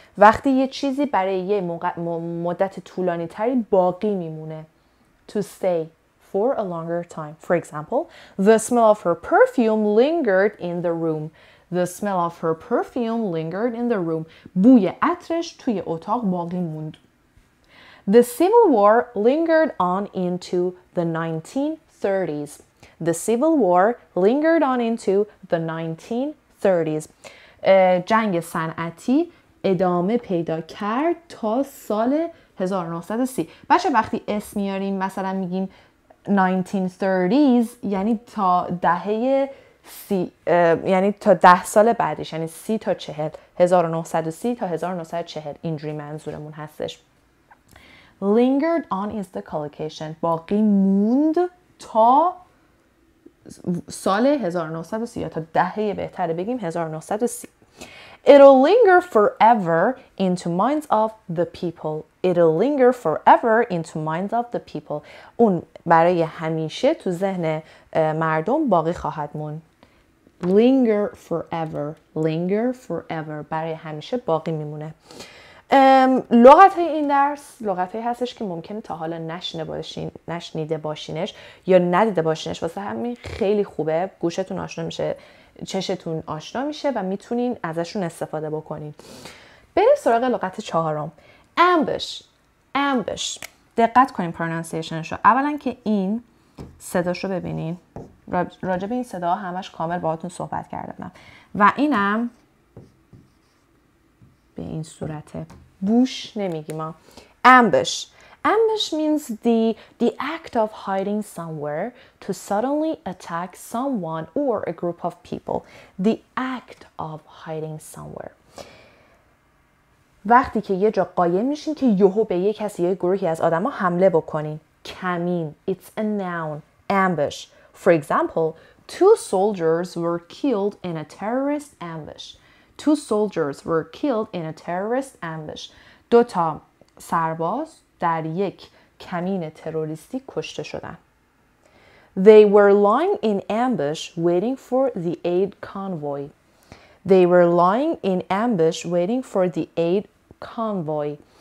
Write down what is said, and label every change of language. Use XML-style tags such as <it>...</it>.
<fa>وقتی یه چیزی برای یه مدت طولانی تری باقی میمونه.</fa> <en>To stay for a longer time. For example, the smell of her perfume lingered in the room. The smell of her perfume lingered in the room.</en> <fa>بوی عطرش توی اتاق باقی موند.</fa> <en>The civil war lingered on into the 1930s. The civil war lingered on into the 1930s.</en> <fa>جنگ صنعتی ادامه پیدا کرد تا سال 1930. بچه وقتی اسم میاریم مثلا میگیم 1930s یعنی تا دهه سی یعنی تا 10 سال بعدش یعنی 30 تا 40 1930 تا 1940 اینجوری منظورمون هستش.</fa> <en>Lingered on is the collocation.</en> <fa>باقی موند تا سال 1930 یا تا دهه بهتره بگیم 1930.</fa> <en>It'll linger forever into minds of the people. It'll linger forever into minds of the people.</en> <fa>اون برای همیشه تو ذهن مردم باقی خواهد موند.</fa> <en>Linger forever. Linger forever.</en> <fa>برای همیشه باقی میمونه. لغت های این درس لغت هایی هستش که ممکنه تا حالا نشنیده باشینش یا ندیده باشینش. واسه همین خیلی خوبه. گوشتون آشنا میشه. چشتون آشنا میشه و میتونین ازشون استفاده بکنین. بریم سراغ لغت چهارم. Ambush. Ambush. دقت کنین پرونانسیشنشو. اولا که این صداشو ببینین. راجب این صدا همش کامل باهاتون صحبت کردم. و اینم به این صورته. بوش نمیگیم.</fa> <en>Ambush. Ambush means the act of hiding somewhere to suddenly attack someone or a group of people. The act of hiding somewhere.</en> <fa>وقتی که یه جا قایم میشین که یهو به یه کسی یه گروهی از آدم ها حمله بکنین.</fa> <en>کمین. It's a noun. Ambush. For example, two soldiers were killed in a terrorist ambush. Two soldiers were killed in a terrorist ambush.</en> <fa>دو تا سرباز در یک کمین تروریستی کشته شدن.</fa> <en>They were lying in ambush waiting for the aid convoy. They were lying in ambush waiting for the aid convoy.</en>